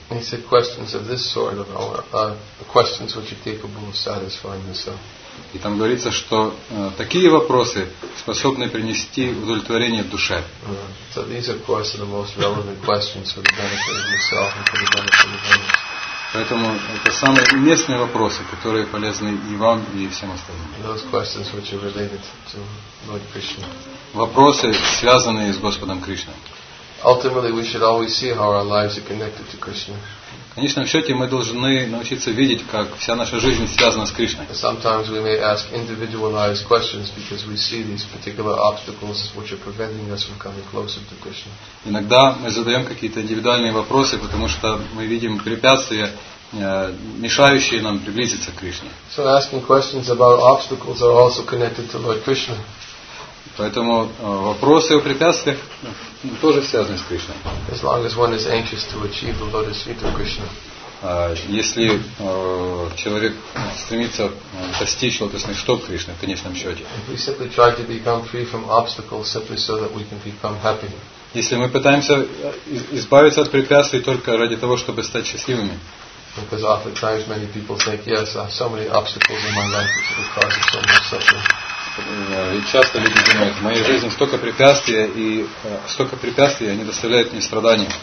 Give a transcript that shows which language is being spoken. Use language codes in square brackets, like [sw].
[en] He said questions of this sort of questions which are capable of satisfying the soul. [ru] И там говорится, что такие вопросы способны принести удовлетворение душе. [en] So these of course are the most relevant questions for the benefit of yourself and for the benefit of others. [ru] Поэтому это самые уместные вопросы, которые полезны и вам, и всем остальным. [en] Those questions which are related to Lord Krishna. [ru] Вопросы, связанные с Господом Кришной. [en] Ultimately, we should always see how our lives are connected to Krishna. [ru] Конечно, в счете мы должны научиться видеть, как вся наша жизнь связана с Кришной. [en] Sometimes we may ask individualized questions because we see these particular obstacles which are preventing us from coming closer to Krishna. [ru] Иногда мы задаем какие-то индивидуальные вопросы, потому что мы видим препятствия, мешающие нам приблизиться к Кришне. [en] So asking questions about obstacles are also connected to Lord Krishna. [ru] Поэтому вопросы о препятствиях тоже связаны с Кришной. [en] As long as one is anxious to achieve the lotus feet of Krishna. [ru] Если человек стремится достичь лотосных стоп Кришны в конечном счете. [en] If we simply try to become free from obstacles simply so that we can become happy. [ru] Если мы пытаемся избавиться от препятствий только ради того, чтобы стать счастливыми. [en] Because oftentimes many people think, yes, I have so many obstacles in my life which will cause so much suffering. [ru] И часто люди думают, в моей жизни столько препятствий, и столько препятствий, они доставляют мне страдания.